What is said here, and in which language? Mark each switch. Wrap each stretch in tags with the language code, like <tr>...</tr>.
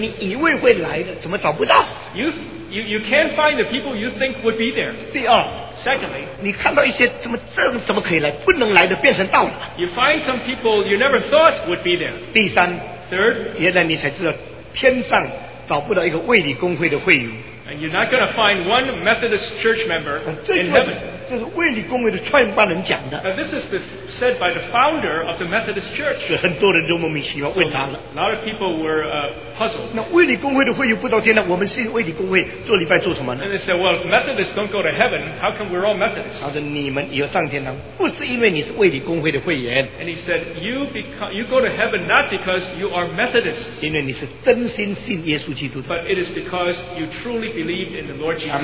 <zh>你以为会来的怎么找不到?</zh> <en>You can't find the people you think would be there.</en> <zh>第二,</zh> <en>secondly,</en> <zh>你看到一些怎么可以来不能来的变成到了,</zh> <en>you find some people you never thought would be there.</en> <zh>第三,</zh> <en>third,</en> <zh>原来你才知道天上找不到一个卫理公会的会员,</zh> <en>and you're not going to find one Methodist church member in heaven.</en> <zh>这是卫理公会的创办人讲的。</zh> <en>Now, this is said by the founder of the Methodist Church.</en> <zh>很多人都莫名其妙问他了。</zh> <en>A lot of people were puzzled.</en> <zh>那卫理公会的会友不到天堂，我们是卫理公会，做礼拜做什么呢？</zh> <en>And they said, well, Methodists don't go to heaven. How come we're all Methodists?</en> <zh>他说你们以后上天堂，不是因为你是卫理公会的会员。</zh> <en>And he said, you go to heaven not because you are Methodists.</en> <zh>因为你是真心信耶稣基督的。</zh> <en>But it is because you truly believe in the Lord Jesus Christ.</en>